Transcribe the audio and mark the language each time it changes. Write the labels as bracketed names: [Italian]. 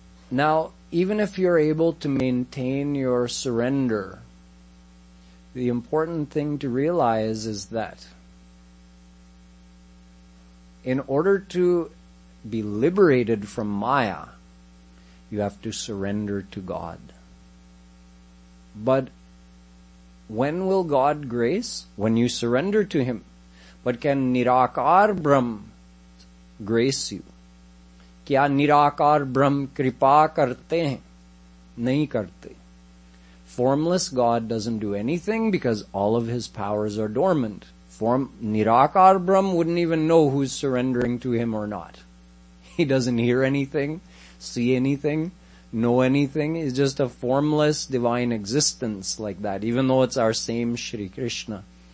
[English] Now, even if you're able to maintain your surrender, the important thing to realize is that in order to be liberated from Maya, you have to surrender to God. But when will God grace? When you surrender to Him. But can Nirakar Brahm grace you? [Hindi] क्या निराकार ब्रह्म कृपा करते हैं? नहीं करते. [English] Formless God doesn't do anything because all of His powers are dormant. Nirakar Brahm wouldn't even know who's surrendering to Him or not. He doesn't hear anything, see anything, know anything. He's just a formless divine existence like that, even though it's our same Shri Krishna.